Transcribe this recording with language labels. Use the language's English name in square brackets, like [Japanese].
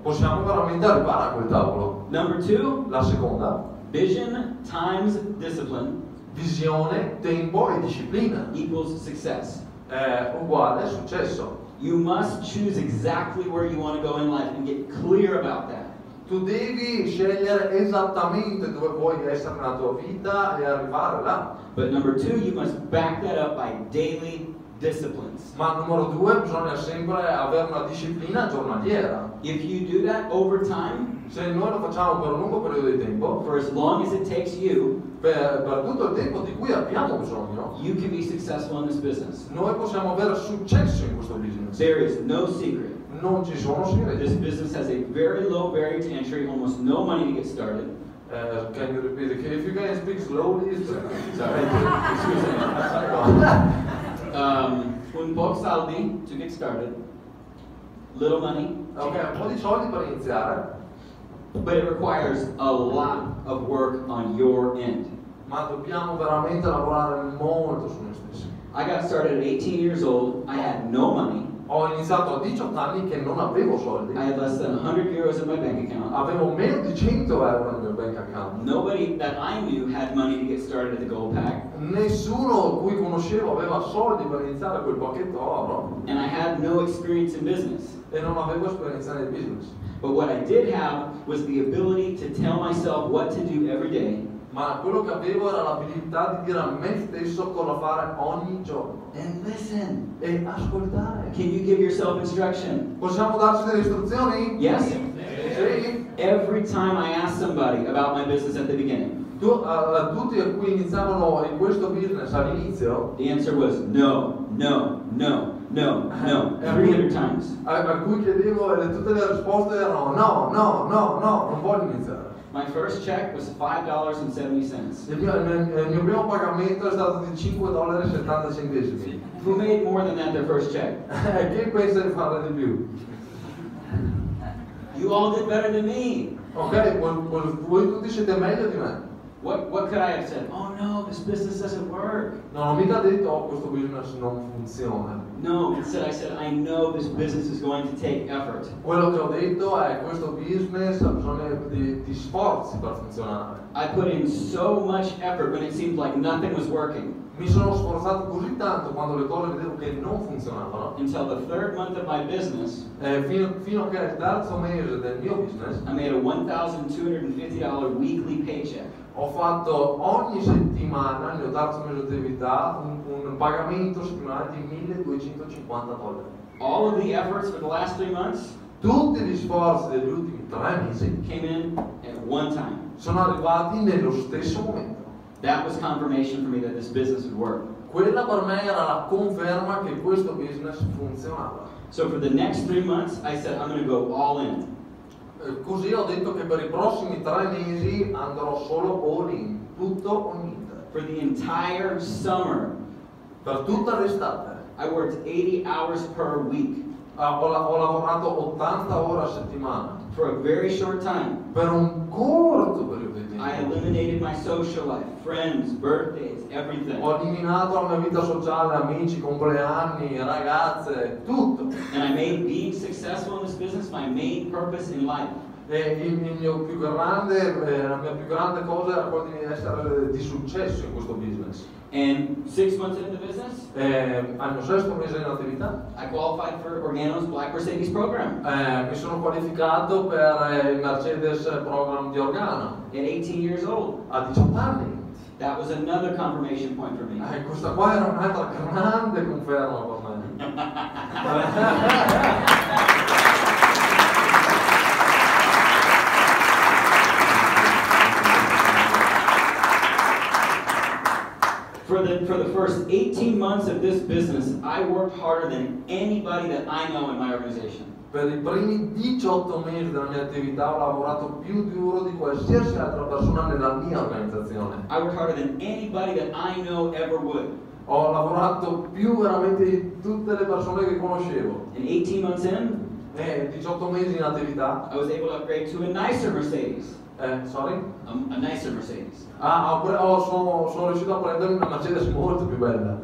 [Italian] Possiamo veramente arrivare a quel tavolo. [English] Number two. [Italian] La seconda. [English] Vision times discipline. [Italian] Visione, tempo e disciplina. [English] Equals success. [Italian] Uguale successo. [English] You must choose exactly where you want to go in life and get clear about that. [Italian] Tu devi scegliere esattamente dove vuoi essere nella tua vita e arrivare là. [English] But number two, you must back that up by daily disciplines. [Italian] Ma numero due, bisogna sempre avere una disciplina giornaliera. [English] If you do that over time, [Italian] se noi lo facciamo per un lungo periodo di tempo, [English] for as long as it takes you, [Italian] per tutto il tempo di cui abbiamo bisogno, [English] you can be successful in this business. [Italian] Noi possiamo avere successo in questo business. [English] There is no secret. [Italian] Non ci sono segreti. [English] This business has a very low barrier to entry, almost no money to get started. Can you repeat it? If you can speak slowly, it's excuse me. [Italian] un po' saldi [English] to get started. Little money. [Italian] Okay, un po' di soldi per iniziare. [English] But it requires a lot of work on your end. [Italian] Ma dobbiamo veramente lavorare molto su noi stessi. [English] I got started at 18 years old. I had no money. [Italian] Ho iniziato a 18 anni che non avevo soldi. [English] I had less than 100 euros in my bank account. [Italian] Avevo meno di 100 euro nel mio [English] bank account. Nobody that I knew had money to get started at the gold pack. [Italian] Nessuno cui conoscevo aveva soldi per iniziare quel pacchetto oro. [English] And I had no experience in business. [Italian] E non avevo esperienza nel business. [English] But what I did have was the ability to tell myself what to do every day. [Italian] Ma quello che avevo era l'abilità di dire a me stesso cosa fare ogni giorno. [English] And listen. [Italian] E ascoltare. [English] Can you give yourself instruction? [Italian] Possiamo darci delle istruzioni? [English] Yes. [Italian] Sì. [English] Every time I ask somebody about my business at the beginning. [Italian] Tutti a cui iniziavano in questo business all'inizio. [English] The answer was no, no, no, no, no. 300 times. [Italian] A cui chiedevo e tutte le risposte erano no, no, no, no, non voglio iniziare. [English] My first check was $5.70. [Italian] Il mio primo pagamento è stato di $5.70. [English] Who made more than that their first check? [Italian] Chi pensa di fare di più? [English] You all did better than me. [Italian] Okay, voi tutti siete meglio di me. [English] What could I have said? Oh no, this business doesn't work. [Italian] No, non mi ha detto, oh, questo business non funziona. [English] No, instead I said, I know this business is going to take effort. [Italian] Quello che ho detto è, questo business ha bisogno di sforzi per funzionare. [English] I put in so much effort when it seemed like nothing was working. [Italian] Mi sono sforzato così tanto quando le cose vedevo che non funzionavano. [English] Until the third month of my business, [Italian] fino a che al terzo mese del mio business, [English] I made a $1,250 weekly paycheck. [Italian] Ho fatto ogni settimana, nel mio terzo mese di attività, un pagamento settimanale di $1,250. [English] All of the efforts for the last 3 months, [Italian] tutti gli sforzi degli ultimi 3 mesi, [English] came in at one time. [Italian] Sono arrivati nello stesso momento. [English] That was confirmation for me that this business would work. [Italian] Quella per me era la conferma che questo business funzionava. [English] So for the next 3 months, I said, I'm going to go all in. [Italian] Così ho detto che per i prossimi 3 mesi andrò solo all in, tutto o niente. [English] For the entire summer. [Italian] Per tutta l'estate. [English] I worked 80 hours per week. [Italian] Ho lavorato 80 ore a settimana. [English] For a very short time. [Italian] Per un corto periodo. [English] I eliminated my social life, friends, birthdays, everything. [Italian] Ho eliminato la mia vita sociale, amici, compleanni, ragazze, tutto. [English] And I made being successful in this business my main purpose in life. [Italian] E il mio più grande, la mia più grande cosa era quella di essere di successo in questo business. [English] And 6 months into the business, [Italian] hanno 6 mesi in attività. [English] I qualified for Organo's Black Mercedes program. [Italian] Mi sono qualificato per il Mercedes program di Organo. [English] At 18 years old. [Italian] A 18 anni. [English] That was another confirmation point for me. [Italian] Questa qua era un'altra grande conferma per me. [English] For the first 18 months of this business, I worked harder than anybody that I know in my organization. [Italian] Per i primi 18 mesi della mia attività ho lavorato più duro di qualsiasi altra persona nella mia organizzazione. [English] I worked harder than anybody that I know ever would. [Italian] Ho lavorato più veramente di tutte le persone che conoscevo. [English] In 18 months in? [Italian] 18 mesi in attività. [English] I was able to upgrade to a nicer Mercedes. A nicer Mercedes. [Italian] Sono riuscito a prendere una Mercedes molto più bella.